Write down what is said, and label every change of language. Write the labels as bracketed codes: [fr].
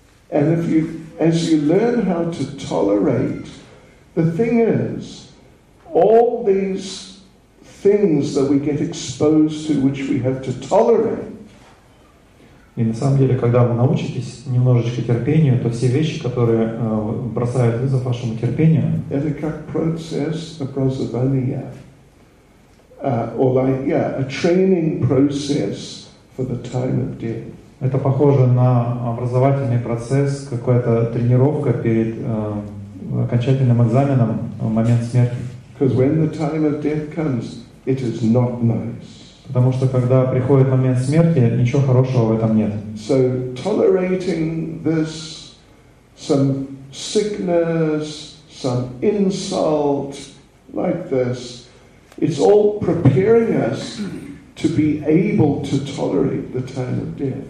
[en] And if you, as you learn how to tolerate, the thing is, all these things that we get exposed to, which we have to tolerate. [ru] И на самом деле, когда вы научитесь немножечко терпению, то все вещи, которые бросают вызов вашему терпению, это как процесс образования, [en] or like, yeah, a training process for the time of death. [ru] Это похоже на образовательный процесс, какая-то тренировка перед окончательным экзаменом в момент смерти. [en] Because when the time of death comes, it is not nice. [ru] Потому что когда приходит момент смерти, ничего хорошего в этом нет. [en] So tolerating this, some sickness, some insult like this, it's all preparing us to be able to tolerate the time of death.